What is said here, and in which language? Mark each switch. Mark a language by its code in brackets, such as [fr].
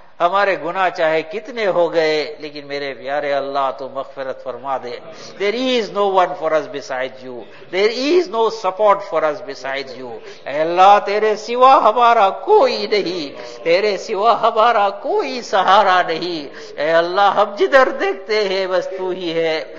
[ur] ہمارے گناہ چاہے کتنے ہو گئے لیکن میرے پیارے اللہ تو مغفرت فرما دے. [en] There is no one for us besides you. There is no support for us besides you. [ur] اے اللہ تیرے سوا ہمارا کوئی نہیں, تیرے سوا ہمارا کوئی سہارا نہیں. اے اللہ ہم جدھر دیکھتے ہیں بس تو ہی ہے.